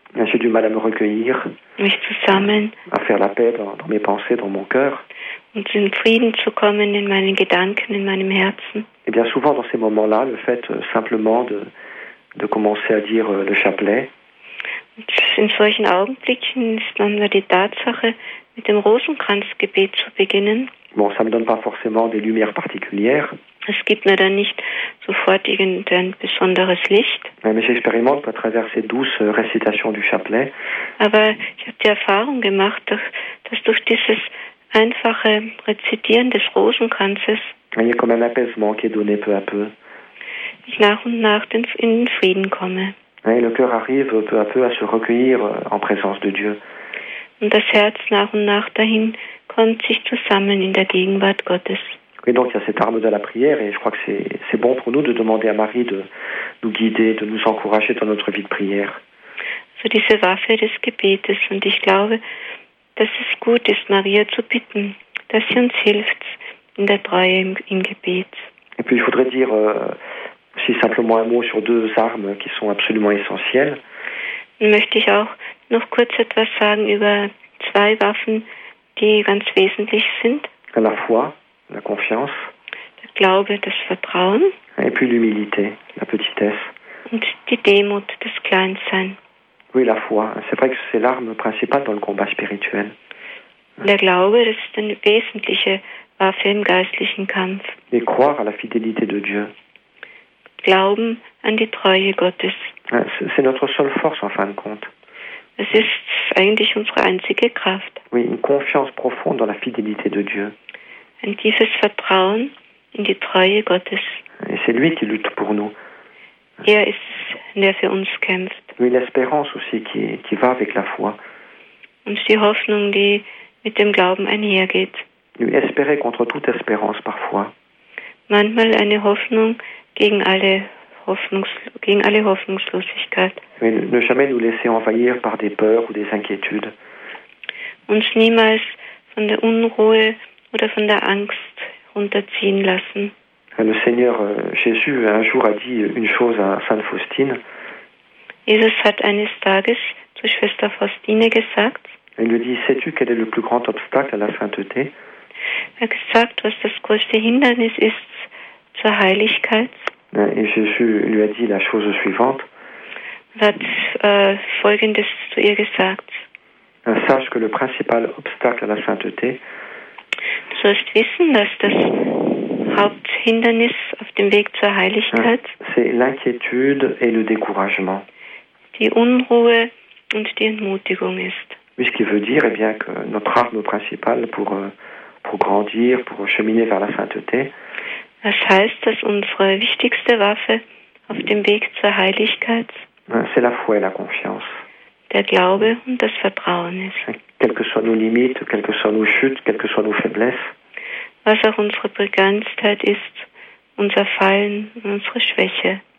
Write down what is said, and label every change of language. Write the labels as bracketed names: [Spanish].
[French] J'ai du mal à me recueillir, [German] mich zu sammeln, [French] à faire la paix dans mes pensées, dans mon cœur. [German] Und in Frieden zu kommen in meinen Gedanken, in meinem Herzen. [French] Et bien souvent dans ces moments-là, le fait simplement de commencer à dire le chapelet. [German] Und in solchen Augenblicken ist manchmal die Tatsache, mit dem Rosenkranzgebet zu beginnen. [French] Bon, ça ne me donne pas forcément des lumières particulières. [German] Es gibt mir dann nicht sofort irgendein besonderes Licht. [French] Mais j'expérimente à travers ces douces récitations du chapelet. [German] Aber ich habe die Erfahrung gemacht, dass durch dieses einfache Rezitieren des Rosenkranzes [French] il y a comme un apaisement qui est donné peu à peu. [German] Ich nach und nach in den Frieden komme. [French] Et le cœur arrive peu à peu à se recueillir en présence de Dieu. [German] Und das Herz nach und nach dahin kommt, sich zu sammeln in der Gegenwart Gottes. [French] Et donc il y a cette arme de la prière et je crois que c'est bon pour nous de demander à Marie de nous guider, de nous encourager dans notre vie de prière. [German] So diese Waffe des Gebetes und ich glaube, dass es gut ist, Maria zu bitten, dass sie uns hilft in der Treue im Gebet. [French] Et puis je voudrais dire ici simplement un mot sur deux armes qui sont absolument essentielles. [German] Möchte ich auch noch kurz etwas sagen über zwei Waffen, die ganz wesentlich sind. [French] La foi, la confiance. [German] Der Glaube, das Vertrauen. [French] Et puis l'humilité, la petitesse. [German] Und die Demut, das Kleinsein. [French] Oui, la foi. C'est vrai que c'est l'arme principale dans le combat spirituel. [German] Der Glaube, das ist eine wesentliche Waffe im geistlichen Kampf. [French] Et croire à la fidélité de Dieu. [German] Glauben an die Treue Gottes. [French] C'est notre seule force en fin de compte. [German] Es ist eigentlich unsere einzige Kraft. [French] Oui, une confiance profonde dans la fidélité de Dieu. [German] Ein tiefes Vertrauen in die Treue Gottes. [French] Et c'est lui qui lutte pour nous. [German] Er ist der für uns kämpft. [French] Oui, l'espérance aussi qui va avec la foi. [German] Und die Hoffnung, die mit dem Glauben einhergeht. [French] Oui, espérer contre toute espérance parfois. [German] Manchmal eine Hoffnung gegen alle Hoffnungslosigkeit. [French] Mais ne jamais nous laisser envahir par des peurs ou des inquiétudes. [German] Uns niemals von der Unruhe oder von der Angst runterziehen lassen. [French] Le Seigneur Jésus un jour a dit une chose à Sainte Faustine. [German] Jesus hat eines Tages zu Schwester Faustine gesagt. [French] Il lui dit, sais-tu quel est le plus grand obstacle à la sainteté? [German] Er gesagt, was das größte Hindernis ist zur Heiligkeit. [French] Et Jésus lui a dit la chose suivante. [German] Hat folgendes zu ihr gesagt. [French] Sache que le principal obstacle à la sainteté. [German] Du sollst wissen, dass das Haupthindernis auf dem Weg zur Heiligkeit. [French] C'est l'inquiétude et le découragement. [German] Die Unruhe und die Entmutigung ist. [French] Ce qui veut dire, eh bien, que notre arme principale pour grandir, pour cheminer vers la sainteté. [German] Das heißt, dass unsere wichtigste Waffe auf dem Weg zur Heiligkeit. [French] C'est la foi et la confiance. [German] Der Glaube und das Vertrauen ist. [French] Quelles que soient nos limites, quelles que soient nos chutes, quelles que soient nos faiblesses. [German] Was auch unsere Begrenztheit ist, unser Fallen, unsere Schwäche.